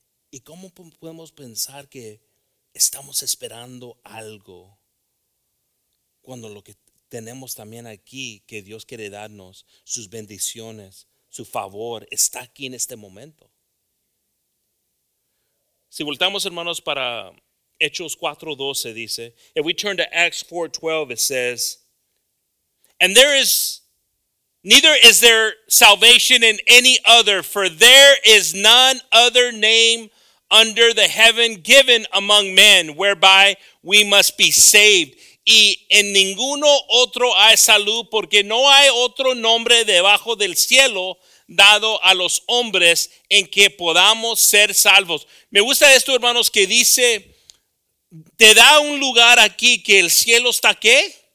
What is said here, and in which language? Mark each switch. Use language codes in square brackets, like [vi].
[es] ¿Y cómo podemos pensar que estamos esperando algo cuando lo que tenemos también aquí, que Dios quiere darnos sus bendiciones, su favor, está aquí en este momento? Si voltamos, hermanos, para Hechos 4:12 dice, [en] if we turn to Acts 4:12, it says, and there is, neither is there salvation in any other, for there is none other name under the heaven given among men whereby we must be saved. [es] Y en ninguno otro hay salud, porque no hay otro nombre debajo del cielo dado a los hombres en que podamos ser salvos. Me gusta esto, hermanos, que dice, te da un lugar aquí que el cielo está, ¿qué?